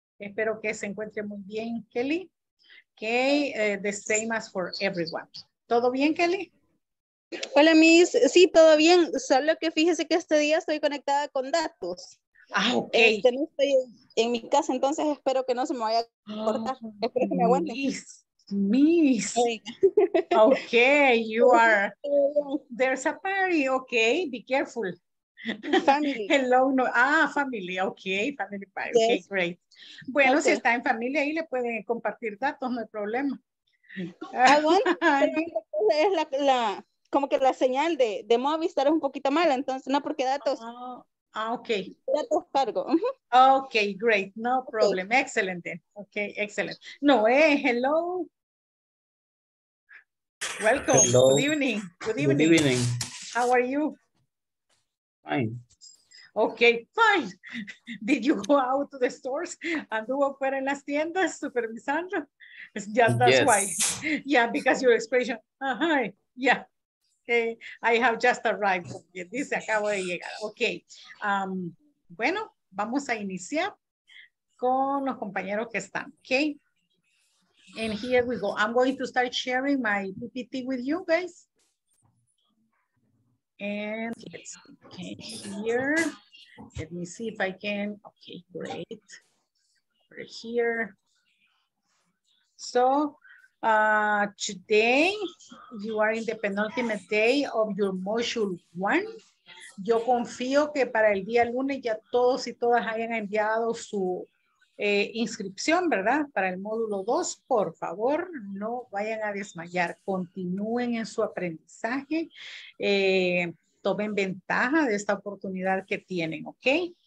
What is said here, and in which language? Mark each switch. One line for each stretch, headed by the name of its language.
Spanish: Espero que se encuentre muy bien, Kelly.
English: Okay, the same as for everyone.
Spanish: ¿Todo bien, Kelly? Hola, Miss. Sí, todo bien. Solo que fíjese que este día estoy conectada con datos. Ah, ok. Este, no estoy en mi casa, entonces espero que no se me vaya a cortar. Oh, espero que me aguante.
English: Miss, okay, you are, there's a party, okay, be careful. Family. Hello, no, ah, family, okay, family party, yes. Okay, great.
Spanish: Bueno, okay. Si está en familia, ahí le pueden compartir datos, no hay problema. Es la, como que la señal de Movistar es un poquito mala, entonces, no, porque datos.
English: Okay.
Spanish: Datos cargo.
English: Uh-huh. Okay, great, no problem, okay. Excellent then. Okay, excellent. No, hello. Welcome. Hello. Good evening. Good evening. Good evening. How are you? Fine. Okay, fine. Did you go out to the stores?
Spanish: Anduvo fuera en las tiendas supervisando?
English: Yeah, that's yes. Why. Yeah, because your expression. Hi. Yeah. Okay. I have just arrived.
Spanish: Dice, acabo de llegar. Okay. Bueno, vamos a iniciar con los compañeros que están.
English: Okay. And here we go. I'm going to start sharing my PPT with you guys. And let's okay here. Let me see if I can. Okay, great. Over here. So today you are in the penultimate day of your module one.
Spanish: Yo confío que para el día lunes ya todos y todas hayan enviado su inscripción, ¿verdad? Para el módulo 2, por favor, no vayan a desmayar, continúen en su aprendizaje, tomen ventaja de esta oportunidad que tienen, ¿ok?